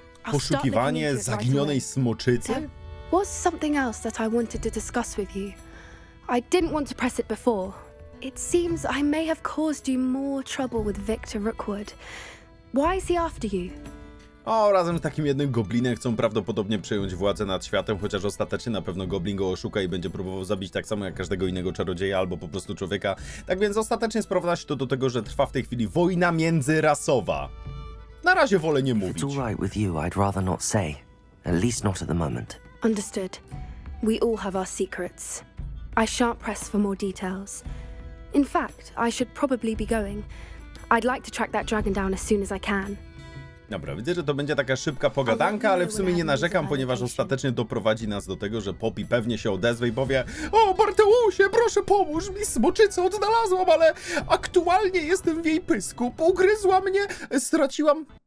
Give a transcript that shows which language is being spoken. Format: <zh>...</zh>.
<pl>Poszukiwanie zaginionej smoczycy?</pl> <en>Was something else that I wanted to discuss with you. I didn't want to press it before. It seems I may have caused you more trouble with Victor Rookwood. Why is he after you?</en> <pl>O, razem z takim jednym goblinem chcą prawdopodobnie przejąć władzę nad światem, chociaż ostatecznie na pewno goblin go oszuka i będzie próbował zabić tak samo jak każdego innego czarodzieja albo po prostu człowieka. Tak więc ostatecznie sprowadza się to do tego, że trwa w tej chwili wojna międzyrasowa. Na razie wolę nie mówić.</pl> <en>It's all right with you, I'd rather not say. At least not at the moment. Understood. We all have our secrets. I shan't press for more details. In fact, I should probably be going. I'd like to track that dragon down as soon as I can.</en> <pl>Dobra, widzę, że to będzie taka szybka pogadanka, ale w sumie nie narzekam, ponieważ ostatecznie doprowadzi nas do tego, że Poppy pewnie się odezwie i powie: o, Bartełusie, proszę pomóż mi, smoczycę odnalazłam, ale aktualnie jestem w jej pysku, pogryzła mnie, straciłam...</pl>